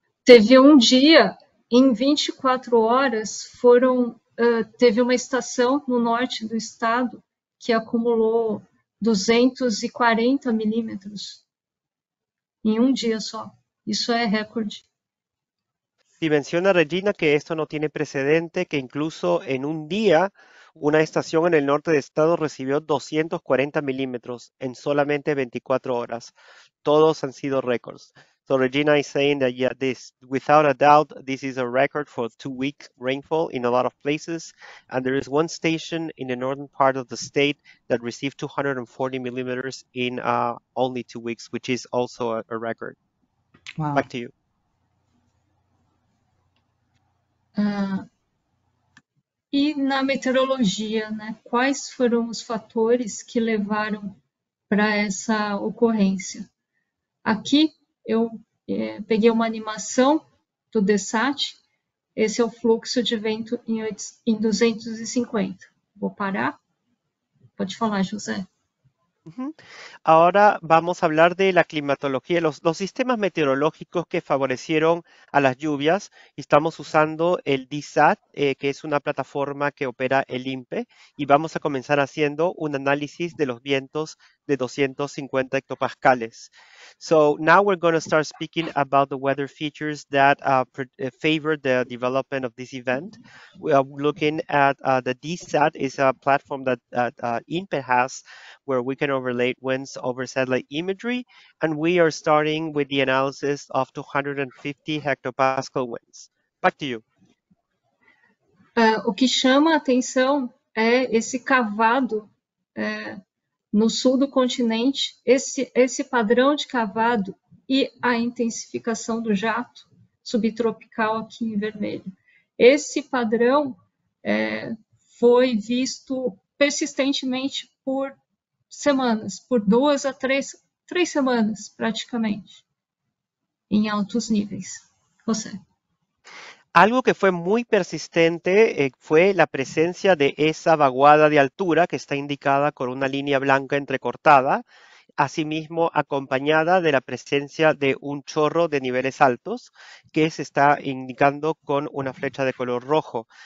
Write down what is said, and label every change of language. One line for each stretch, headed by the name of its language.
Portuguese: Teve
Spanish: un día en 24 horas, teve una estación en el norte del estado que acumuló 240 milímetros en un día solo. Eso es récord. Si menciona Regina que esto no tiene precedente, que incluso en un día una estación en el norte de estado recibió 240 milímetros en solamente 24 horas. Todos han sido récords.
English: So Regina is saying that yeah, this without a doubt, this is a record for 2 weeks rainfall in a lot of places. And there is one station in the northern part of the state that received 240 millimeters in only 2 weeks, which is also a record. Wow. Back to you.
Portuguese: E na meteorologia, né? Quais foram os fatores que levaram para essa ocorrência? Aqui eu peguei uma animação do Desat. Esse é o fluxo de vento em 250. Vou parar. Pode falar, José.
Spanish: Ahora vamos a hablar de la climatología, los sistemas meteorológicos que favorecieron a las lluvias. Estamos usando el DSAT, que es una plataforma que opera el INPE, y vamos a comenzar haciendo un análisis de los vientos de 250 hectopascales.
English: So now we're going to start speaking about the weather features that favored the development of this event. We are looking at the DSAT is a platform that INPE has where we can overlay winds over satellite imagery. And we are starting with the analysis of 250 hectopascal winds. Back to you.
Portuguese: O que chama a atenção é esse cavado no sul do continente, esse padrão de cavado e a intensificação do jato subtropical aqui em vermelho. Esse padrão foi visto persistentemente por semanas, por duas a três semanas praticamente, em altos níveis. Você.
Spanish: Algo que fue muy persistente fue la presencia de esa vaguada de altura que está indicada con una línea blanca entrecortada, asimismo acompañada de la presencia de un chorro de niveles altos que se está indicando con una flecha de color rojo.